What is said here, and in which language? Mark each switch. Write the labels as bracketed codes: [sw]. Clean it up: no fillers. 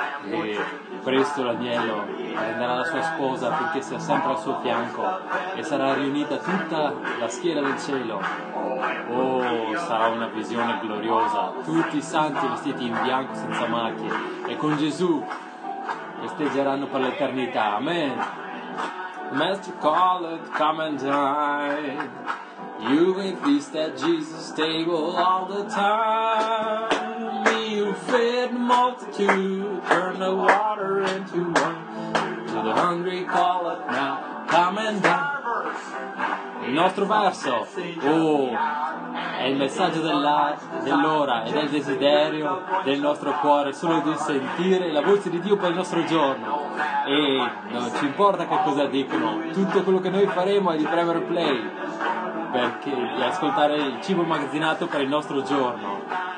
[it] E presto l'agnello prenderà la sua sposa finché sia sempre al suo fianco e sarà riunita tutta la schiera del cielo. Oh, sarà una visione gloriosa, tutti i santi vestiti in bianco senza macchie e con Gesù festeggeranno per l'eternità. [en] Amen. Master call it, come and dine. You will feast at Jesus' table all the time. You feed the multitude, turn the water into wine. To the hungry call it now, come and dine. [it] Il nostro verso, oh, è il messaggio dell'ora e del desiderio del nostro cuore, solo di sentire la voce di Dio per il nostro giorno. E non ci importa che cosa dicono, tutto quello che noi faremo è di premere play, perché di ascoltare il cibo immagazzinato per il nostro giorno.